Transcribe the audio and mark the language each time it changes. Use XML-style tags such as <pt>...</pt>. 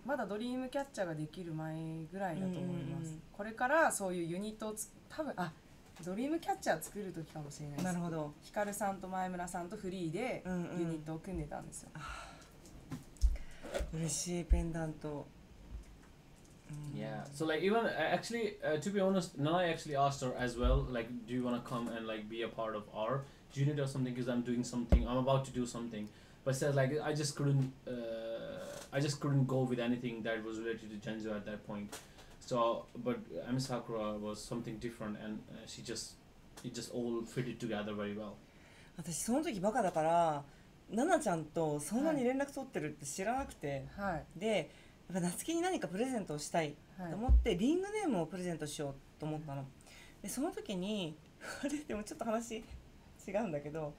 <ja>まだドリームキャッチャーができる前ぐらいだと思います、うんうんうん、これからそういうユニットを多分、あ、ドリームキャッチャー作る時かもしれないです。なるほど。ヒカルさんと前村さんとフリーでユニットを組んでたんですよ、うんうん、嬉しいペンダント、う</ja> <en>ん、Yeah, so like even actually, to be honest, now I actually asked her as well, like, do you want to come and like be a part of our unit or something, because I'm doing something, I'm about to do something, but said like I just couldn't go with anything that was related to Genzo at that point. So, but Ami Sakura was something different, and she just, it just all fitted together very well.</en> <ja>私その時バカだから、ナナちゃんとそんなに連絡取ってるって知らなくて、はい、で、やっぱ夏希に何かプレゼントをしたいと思って、はい、リングネームをプレゼントしようと思ったの。はい、でその時に、あれでもちょっと話違うんだけど、</ja>